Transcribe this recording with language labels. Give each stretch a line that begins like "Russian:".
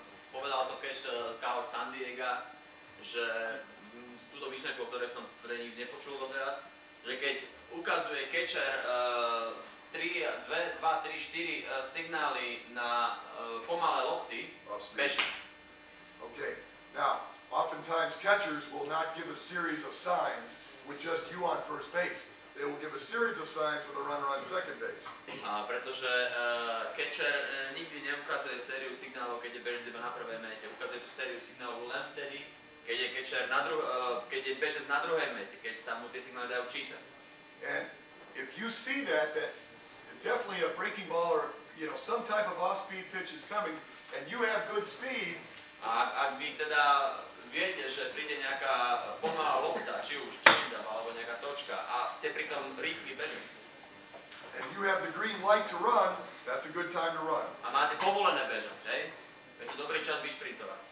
Slovak: Povedal to keď coach San Diego, že túto myšlienku, ktorú som pre nich nepočul doteraz, že keď ukazuje catcher 2, 3, 4 signály na pomalé lopty, beží.
English: Okay. Now, oftentimes catchers will not give a series of signs with just you on first base. They will give a series of signs with a runner on second base.
Slovak: Pretože catcher nikdy neukazuje sériu signálov, keď je bežec iba na prvej mete. Ukazuje tú sériu signálov len vtedy, keď je catcher na keď je bežec na druhej mete, keď sa mu tie signály dajú čítať.
English: And if you see that definitely a breaking ball or you know some type of off-speed pitch is coming and you have good speed,
Slovak: ak vy teda viete, že príde nejaká pomalá lopta, či už change-up alebo nejaká točka a ste pri tom rýchly bežec.
English: And you have the green light to run, that's a good time to run.
Slovak: A máte povolené bežať, hej? Je to dobrý čas vyšprintovať.